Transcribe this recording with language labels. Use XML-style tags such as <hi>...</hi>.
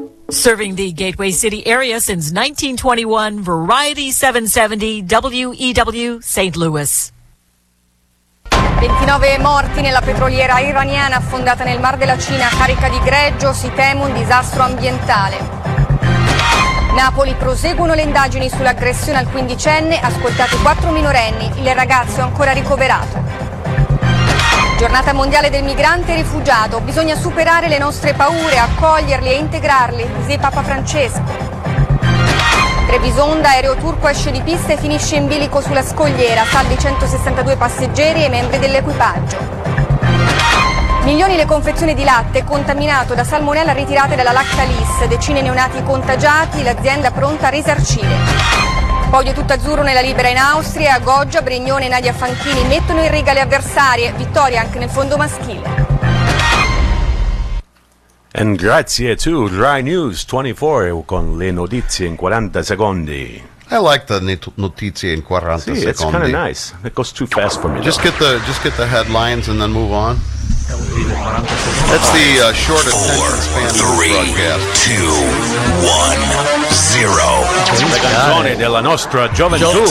<en>Serving the Gateway City area since 1921, Variety 770, WEW, St. Louis.</en> <it>29 morti nella petroliera iraniana affondata nel Mar della Cina, carica di greggio, si teme un disastro ambientale. Napoli, proseguono le indagini sull'aggressione al 15enne, ascoltati 4 minorenni, il ragazzo è ancora ricoverato. Giornata mondiale del migrante e rifugiato, bisogna superare le nostre paure, accoglierli e integrarli, disse Papa Francesco. Trebisonda, aereo turco esce di pista e finisce in bilico sulla scogliera, salvi 162 passeggeri e membri dell'equipaggio. Milioni le confezioni di latte, contaminato da salmonella ritirate dalla Lactalis, decine neonati contagiati, l'azienda pronta a risarcire. Podio tutto azzurro nella Libera in Austria, a Goggia, Brignone e Nadia Fanchini mettono in riga le avversarie, vittoria anche nel fondo maschile. E grazie to Rai News 24 con le notizie in 40 secondi.</it> <en>I like the</en> <it>notizie in 40 sì, secondi.</it> <en>It's kind of nice. It goes too fast for me. Just get the headlines and then move on. That's the short attention span. 3, 2, 1, 0.</en> <it>Canzone della nostra gioventù.</it>